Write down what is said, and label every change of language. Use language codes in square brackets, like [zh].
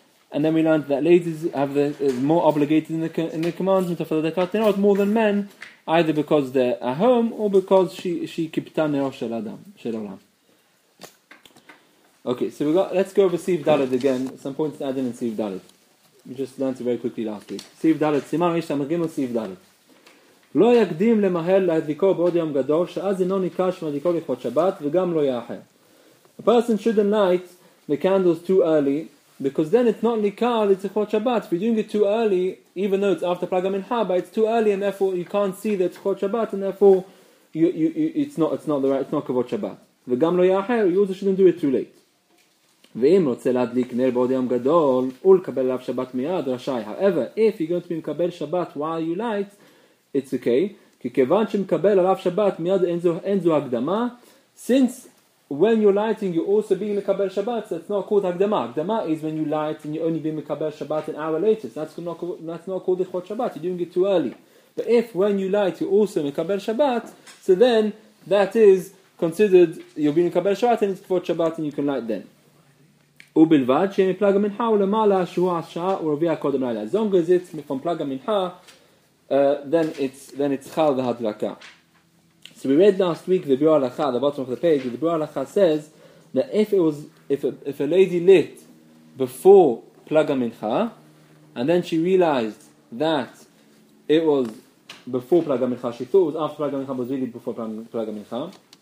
[en] And then we learned that ladies have the more obligated in the commandment of the dekat nerot more than men, either because they're at home or because she kiptan nerot shel adam shel olam. Okay, so let's go over Siv Dalet again. Some points to add in Siv Dalet. We just learned it very quickly last week. Siv Dalet, Siman Reish Tamagim on Siv Dalet. [he] לא יקדים למהל להדליקו בעוד יום גדול, שאז אינו ניכר שמדליקו לכבוד שבת, וגם לא יאחר. [en] A person shouldn't light the candles too early, because then it's not ניכר לכבוד שבת. If you're doing it too early, even though it's after Plag HaMincha, but it's too early, and therefore you can't see the לכבוד שבת, and therefore it's not כבוד שבת. [he] וגם לא יאחר, [en] you also shouldn't do it too late. [he] ואם רוצה להדליק נר בעוד יום גדול, ולקבל עליו שבת מיד, רשאי. [en] However, if you're going to be מקבל שבת while you light, it's okay, [he] כי כיוון שמקבל עליו שבת מיד אין זו הקדמה, [en] since when you're lighting you're also being מקבל שבת, that's not called הקדמה. הקדמה is when you light and you're only being מקבל שבת an hour later, so that's not called לכבוד שבת, you're doing it too early. But if when you light you're also מקבל שבת, so then that is considered you're being מקבל שבת and it's לכבוד שבת and you can light then. [he] ובלבד שיהיה מפלג המנחה ולמעלה שהוא השעה ורביע קודם לילה. [en] As long as it's from פלג המנחה, then it's chal the hadraka. So we read last week the Biur Halacha, the bottom of the page. The Biur Halacha says that if a lady lit before Plag HaMincha, and then she realized that it was before Plag HaMincha, she thought it was after Plag HaMincha, but it was really before Plag HaMincha.